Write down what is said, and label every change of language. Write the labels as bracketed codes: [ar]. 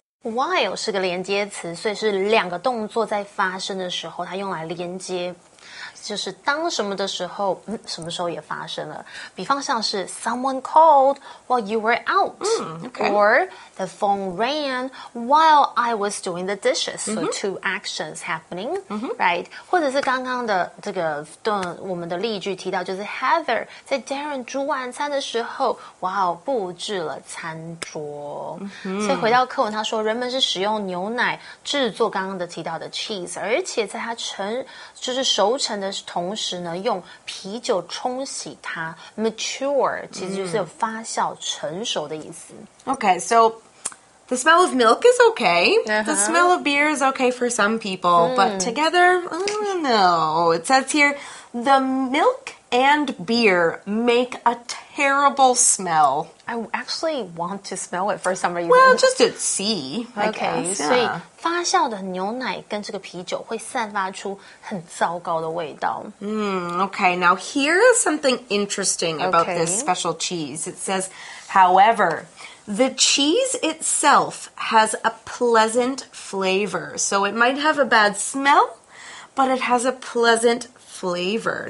[zh] While 是个连接词，所以是两个动作在发生的时候，它用来连接，就是当什么的时候，什么时候也发生了。比方像是 [en] someone called while you were out, or the phone rang while I was doing the dishes. So two actions happening, right? [zh] 或者是刚刚的这个我们的例句提到，就是 Heather 在 Darren 煮晚餐的时候，布置了餐桌。所以回到课文，他说人们是使用牛奶制作刚刚的提到的 cheese, 而且在它熟成的同时呢，用啤酒冲洗它 ，mature 其实就是有发酵、成熟的意思。 [en] Okay, so the smell of milk is okay. The smell of beer is okay for some people, but together, no. It says here, the milk and beer make a terrible smell. I actually want to smell it for some reason. Well, just to see. Okay, so. [zh] 发酵的牛奶跟这个啤酒会散发出很糟糕的味道。 [en] Okay, now here is something interesting about this special cheese. It says, however, the cheese itself has a pleasant flavor. So it might have a bad smell, but it has a pleasant flavor.